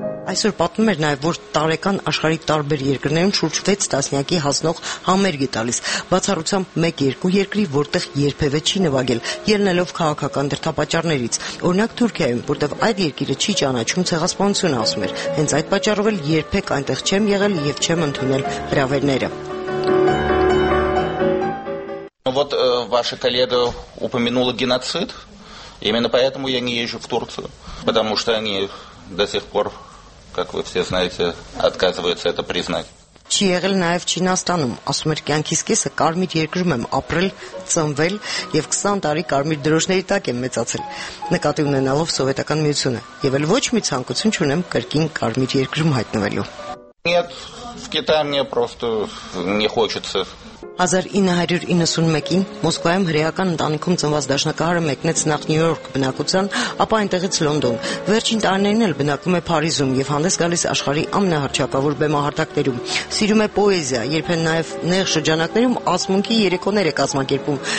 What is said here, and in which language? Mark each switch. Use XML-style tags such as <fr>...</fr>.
<hy>Այսօր պատմում էր նաև, որ տարեկան աշխարհի տարբեր երկրներում շուրջ 6 տասնյակի հասնող համերգ է տալիս, բացառությամբ 1-2 երկրի, որտեղ երբևէ չի նվագել, ելնելով քաղաքական դրդապատճառներից։ Օրինակ Թուրքիայում, որտեղ այդ երկիրը չի ճանաչում ցեղասպանությունը, ասում էր, հենց այդ պատճառով էլ երբեք այնտեղ չեմ եղել և չեմ ընդունել հրավերները։</hy> <ru>Вот ваша коллега упомянула геноцид. Именно поэтому я не езжу в Турцию, потому что они до сих пор, как вы все знаете, отказываются это признать.</ru> <hy>Չի եղել նաև Չինաստանում, ասում էր, կյանքի սկիզբը կարմիր երկրում եմ ապրել, ծնվել և 20 տարի կարմիր դրոշների տակ եմ մեծացել, նկատի ունենալով սովետական միությունը, և էլ ոչ մի ցանկություն չունեմ կրկին կարմիր երկրում հայտնվելու։</hy> <ru>Нет, в Китае мне просто не хочется.</ru> <hy>1991-ին Մոսկվայում հրեական ընտանիքում ծնված դաշնակահարը մեկնեց նախ Նյու Յորք բնակության, ապա այնտեղից Լոնդոն։ Վերջին տարիներին էլ բնակվում է Փարիզում և հանդես գալիս աշխարհի ամենահռչակավոր բեմահարթակներում։ Սիրում է պոեզիա, երբեմն նաև նեղ շրջանակներում ասմունքի երեկոներ է կազմակերպում</hy>